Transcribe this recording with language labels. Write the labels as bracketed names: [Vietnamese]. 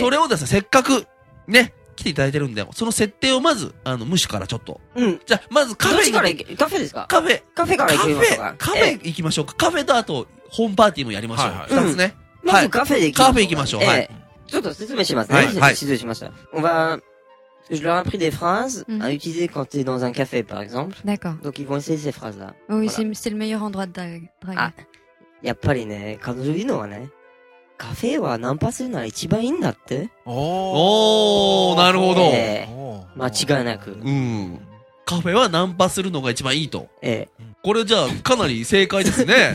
[Japanese] それをですね、せっかく、ね、来ていただいてるんで、その設定をまず、ムシからちょっと。うん。じゃあ、まずカフェに。から行け、カフェですか？カフェ。カフェから行きましょうか。カフェ、カフェ行きましょうか。カフェとあと、ホームパーティーもやりましょう。はいはい、二つね、うん。まずカフェで行きましょう。カフェ行きましょう。はい。ちょっと説明しますね。はい。失礼しました。おばー。 [French] Je leur ai appris des phrases à utiliser quand t'es dans un café, par exemple. D'accord. Donc ils vont essayer ces phrases-là. Oui, voilà. C'est le meilleur endroit de draguer. [Japanese] Ah, やっぱりね、彼女いいのはね、カフェはナンパするなら一番いいんだって。おー、なるほど。間違いなく。うん。カフェはナンパするのが一番いいと。ええ。これじゃあかなり正解ですね。